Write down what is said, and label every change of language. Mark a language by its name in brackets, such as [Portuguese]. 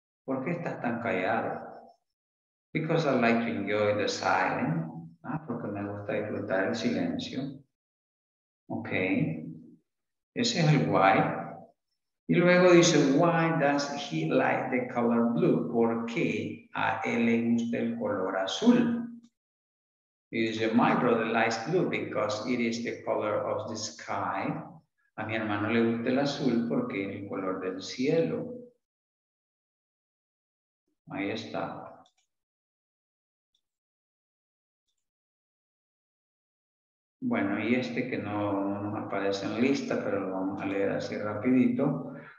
[Spanish] ¿Por qué estás tan callado? [English] Because I like to enjoy the silence. [Spanish] Ah, porque me gusta disfrutar el silencio. Ok. Ese es el why. Y luego dice, [English] why does he like the color blue? [Spanish] ¿Por qué a él le gusta el color azul? Y dice, [English] my brother likes blue because it is the color of the sky. [Spanish] A mi hermano le gusta el azul porque es el color del cielo. Ahí está. Bueno, y este que no nos aparece en lista, pero lo vamos a leer así rapidito.